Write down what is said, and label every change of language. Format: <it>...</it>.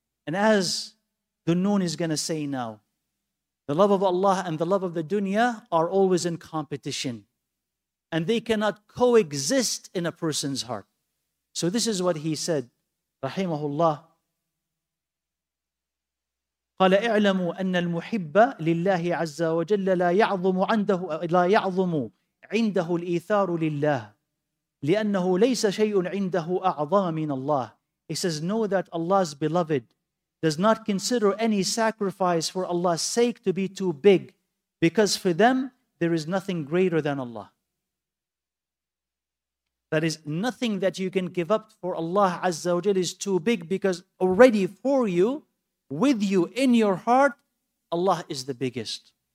<en>And as Dhunnoon is going to say now, the love of Allah and the love of the dunya are always in competition. And they cannot coexist in a person's heart. So this is what he said, rahimahullah.</en> <ar>قَالَ اِعْلَمُوا أَنَّ الْمُحِبَّ لِلَّهِ عَزَّ وَجَلَّ لَا يَعْظُمُ عنده الإيثار لله لأنه ليس شيء عنده أعظم من الله.</ar> <en>He says, know that Allah's beloved does not consider any sacrifice for Allah's sake to be too big, because for them there is nothing greater than Allah. That is, nothing that you can give up for Allah Azza wa Jal is too big, because already for you, with you, in your heart, Allah is the biggest.</en>